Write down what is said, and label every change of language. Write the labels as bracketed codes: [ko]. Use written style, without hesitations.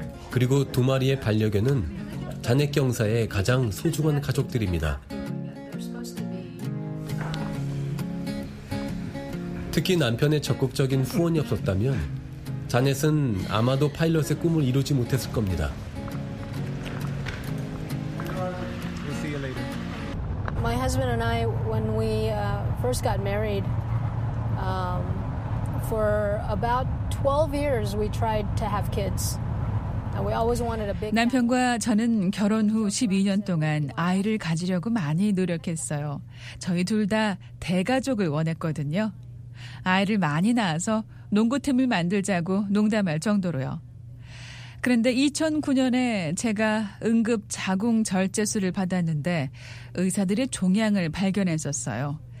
[ko] 그리고 두 마리의 반려견은 잔액 경사의 가장 소중한 가족들입니다. 특히 남편의 적극적인 후원이 없었다면 잔액은 아마도 파일럿의 꿈을 이루지 못했을 겁니다. [en] My husband and I, when we first got married, For about 12 years, we tried to have kids. We always wanted a big. [ko] 남편과 저는 결혼 후 12년 동안 아이를 가지려고 많이 노력했어요. 저희 둘 다 대가족을 원했거든요. 아이를 많이 낳아서 농구팀을 만들자고 농담할 정도로요. 그런데 2009년에 제가 응급 자궁 절제술을 받았는데 의사들이 종양을 발견했었어요.